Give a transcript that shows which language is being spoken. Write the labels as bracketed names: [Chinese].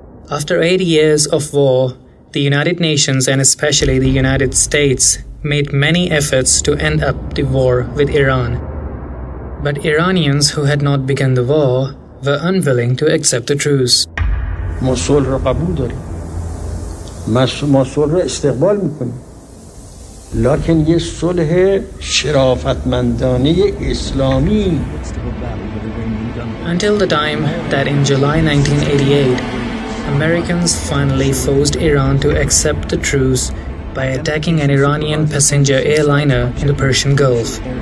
[English] After 80 years of war, the United Nations and especially the United States made many efforts to end up the war with Iran. But Iranians who had not begun the war were unwilling to accept the truce. [Persian] ما صلح را قبول داریم، ما صلح را استقبال میکنیم، لکن یه صلح شرافتمندانه اسلامی. [English] Until the time that in July 1988, Americans finally forced Iran to accept the truce by attacking an Iranian passenger airliner in the Persian Gulf.